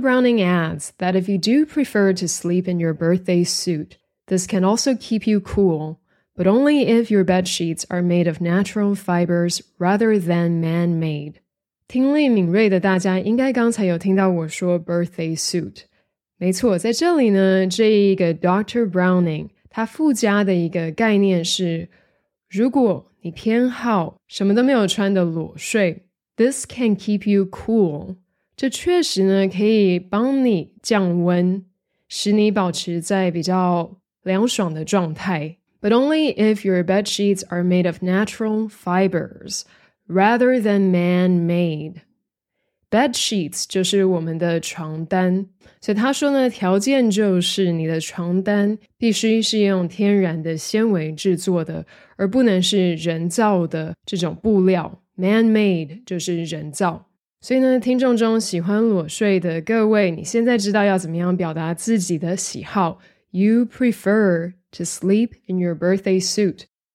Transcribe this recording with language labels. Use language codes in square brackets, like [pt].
[en] Browning adds that if you do prefer to sleep in your birthday suit, this can also keep you cool, but only if your bed sheets are made of natural fibers rather than man-made. [zh] 听力敏锐的大家应该刚才有听到我说 birthday suit。没错，在这里呢，这一个 Dr. Browning 他附加的一个概念是，如果你偏好什么都没有穿的裸睡， [en] This can keep you cool， [zh] 这确实呢可以帮你降温，使你保持在比较凉爽的状态。 [en] But only if your bed sheets are made of natural fibers rather than man-made。 [zh] Bed sheets 就是我们的床单，所以他说呢，条件就是你的床单必须是用天然的纤维制作的，而不能是人造的这种布料。 Man-made 就是人造。所以呢，听众中喜欢裸睡的各位，你现在知道要怎么样表达自己的喜好。 [en] You prefer to sleep in your birthday suit。